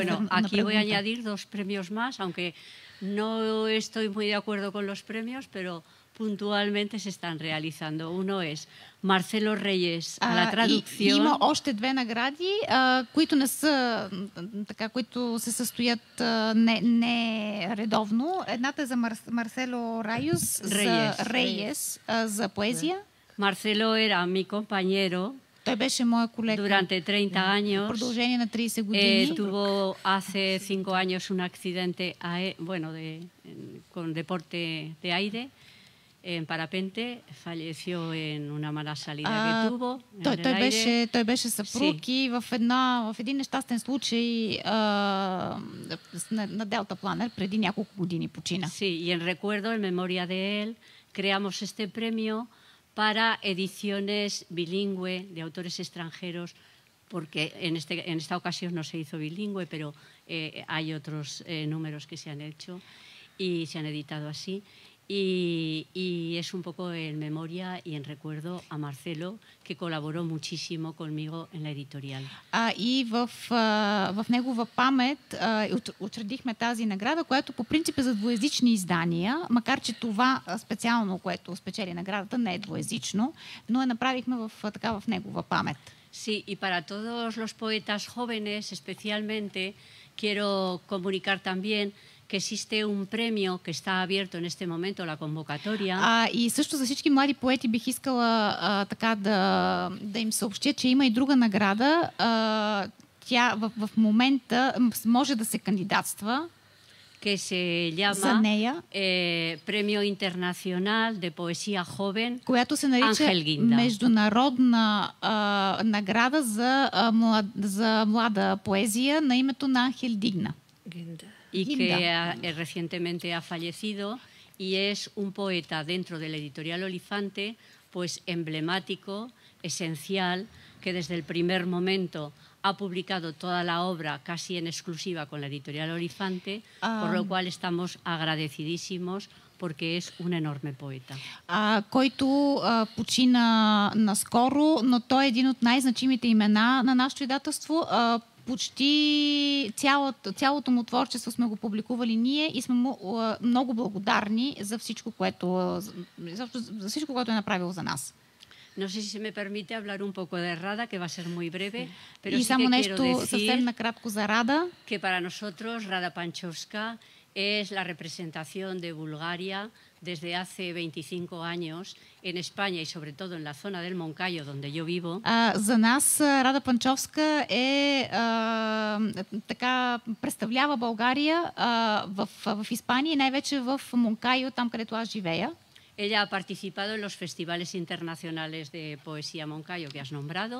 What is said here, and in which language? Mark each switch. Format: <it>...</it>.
<es>Aquí voy a añadir dos premios más, aunque no estoy muy de acuerdo con los premios, pero puntualmente se están realizando. Uno es Marcelo Reyes a la traducción.</es> <bg>Има още две награди, които не са така, които се състоят не редовно. Едната е за Marcelo Reyes за поезия.</bg> <es>Marcelo era mi compañero.</es> <bg>Той беше моя колега.</bg> <es>Durante 30 años.</es> <bg>В продължение на 30 години.</bg> <es>Tuvo hace 5 años un accidente con deporte de aire. En parapente falleció en una mala salida que tuvo.</es> <bg>Той беше съпруг и в един нещастен случай на Делта Планер преди няколко години почина.</bg> <es>Sí, y en recuerdo, en memoria de él, creamos este premio para ediciones bilingüe de autores extranjeros, porque en esta ocasión no se hizo bilingüe, pero hay otros números que se han hecho y se han editado así. Y es un poco en memoria y en recuerdo a Marcelo, que colaboró muchísimo conmigo en la editorial.</es> <bg>И в негова памет учредихме тази награда, която по принцип е за двуязични издания, макар че това специално, което спечели наградата, не е двуязично, но я направихме в негова памет.</bg> <es>Sí, y para todos los poetas jóvenes especialmente, quiero comunicar también que existe un premio que está abierto en este momento, la convocatoria.</es> <bg>И също за всички млади поети бих искала да им съобщя, че има и друга награда. Тя в момента може да се кандидатства.</bg> <es>Que se llama Premio Internacional de Poesía Joven Ángel Guinda.</es> <bg>Която се нарича Международна награда за млада поезия на името на Ángel Guinda.</bg> <es>Y que recientemente ha fallecido y es un poeta dentro de la editorial Olifante, pues emblemático, esencial, que desde el primer momento ha publicado toda la obra casi en exclusiva con la editorial Olifante, por lo cual estamos agradecidísimos porque es un enorme poeta.</es> <bg>Който почина наскоро, но той е един от най-значимите имена на нашето издателство. Почти цялото му творчество сме го публикували ние и сме му много благодарни за всичко, което за всичко, което е направил за нас.</bg> <es>No sé si se me permite hablar un poco de Rada, que va a ser muy breve, pero sí que quiero decir</es> <bg>съвсем накратко за Rada,</bg> <es>que para nosotros Rada Panchovska es la representación de Bulgaria desde hace 25 años en España y sobre todo en la zona del Moncayo donde yo vivo.</es> <bg>За нас Rada Panchovska е така представлява България в Испания и най-вече в Moncayo, там където аз живея.</bg> <es>Ella ha participado en los festivales internacionales de poesía Moncayo que has nombrado.</es>